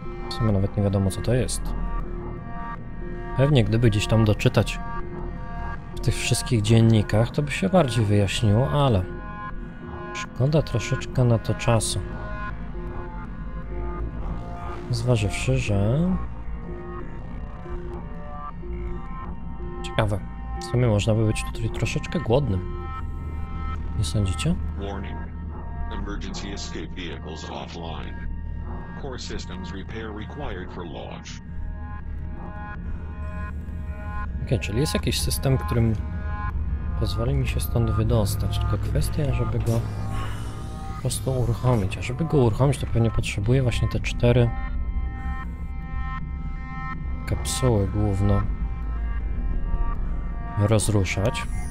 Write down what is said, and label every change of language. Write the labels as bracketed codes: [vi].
[pl] W sumie nawet nie wiadomo, co to jest. Pewnie gdyby gdzieś tam doczytać w tych wszystkich dziennikach, to by się bardziej wyjaśniło, ale szkoda troszeczkę na to czasu. Zważywszy, że... Ciekawe. W sumie można by być tutaj troszeczkę głodnym. Nie sądzicie? [en] Warning. Emergency escape vehicles offline. Core systems repair required for launch. [pl] Ok, czyli jest jakiś system, którym pozwoli mi się stąd wydostać. Tylko kwestia, żeby go po prostu uruchomić. A żeby go uruchomić, to pewnie potrzebuję właśnie te cztery kapsuły główne rozruszać.